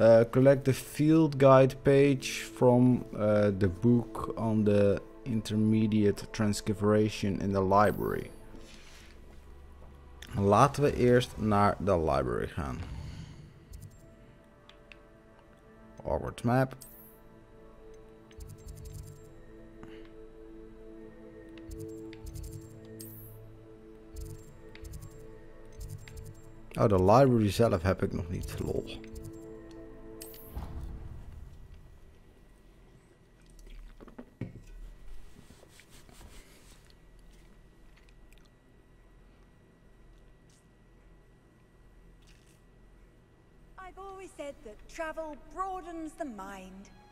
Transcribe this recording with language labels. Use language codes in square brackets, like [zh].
[en] Collect the field guide page from the book on the intermediate transcription in the library. [nl] Laten we eerst naar de library gaan. Hogwarts map. Oh, de library zelf heb ik nog niet, lol. [en] I've always said that travel broadens the mind.